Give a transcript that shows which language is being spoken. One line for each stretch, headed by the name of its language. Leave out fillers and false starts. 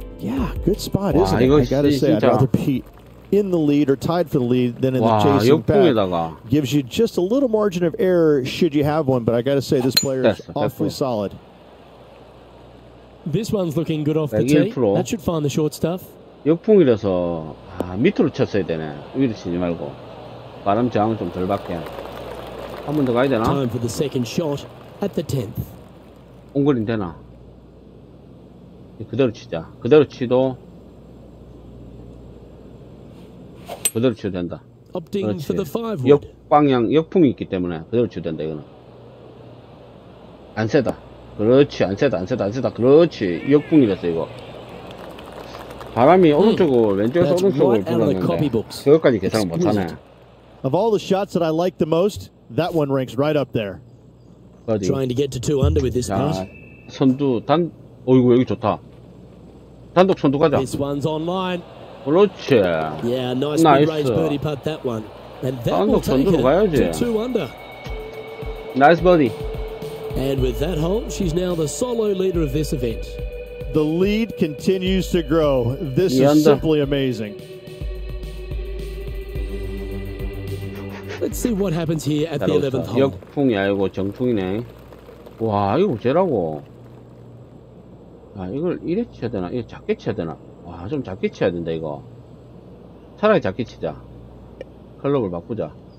English: Yeah, good spot, isn't it? I gotta say, I'd rather be in the lead or tied for the lead than in the chasing back. Gives you just a little margin of error should you have one, but I gotta say, this player is awfully solid. This one's looking good off the tee. That should find the short stuff.
Korean: 역풍이라서 아, 밑으로 쳤어야 되네. 위로 치지 말고 바람 저항을 좀 덜 받게. 한 번 더 가야 되나?
English: Time for the second shot at the 10th.
Korean: 옹골인 되나? 그대로 치자. 그대로 치도 그대로 치도 된다. 그렇지. 역방향 역풍이 있기 때문에 그대로 치도 된다 이거는. 안 세다. 그렇지 안 세다 안 세다 안 세다. 그렇지 역풍이라서 이거. 바람이 오른쪽으로 왼쪽에서 오른쪽으로 불었는데 그것까지 계산을 못하네.
English: Of all the shots that I like the most, that one ranks right up there.
Korean: 어디?
English: Trying to get to two under with this putt.
Korean: 선두 단 어이구 여기 좋다. 단독 선두 가자.
English: This one's online.
Korean: 그렇지.
English: Yeah, nice mid-range birdie putt that one. And that will take it to two under. Nice birdie. And with that hole, she's now the solo leader of this event. The lead continues to grow. This is simply amazing. Let's see what happens here at the 11th hole.
Korean: 역풍이 아니고 정풍이네. 와, 이거 어쩌라고. 아, 이걸 이래 쳐야 되나? 이거 작게 쳐야 되나? 와, 좀 작게 쳐야 된다, 이거. 차라리 작게 치자. 클럽을 바꾸자.